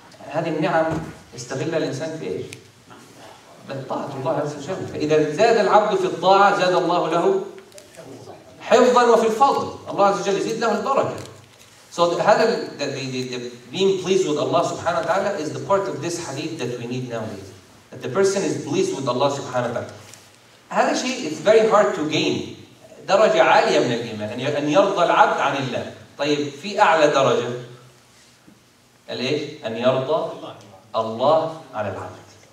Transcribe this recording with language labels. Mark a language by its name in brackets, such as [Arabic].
[Arabic] هذه النعم استغلها الإنسان في إيش؟ بالطاعة الله عز وجل. فإذا زاد العبد في الطاعة زاد الله له حفظا وفي الفضل الله عز وجل يزيد له البركة. [English] So هذا the being pleased with Allah سبحانه وتعالى is the part of this hadith that we need nowadays. That the person is pleased with Allah سبحانه وتعالى. [Arabic] هذا شيء [English] it's very hard to gain. [Arabic] درجة عالية من الإيمان أن يرضى العبد عن الله. طيب في أعلى درجة الإيه؟ أن يرضى الله على العبد.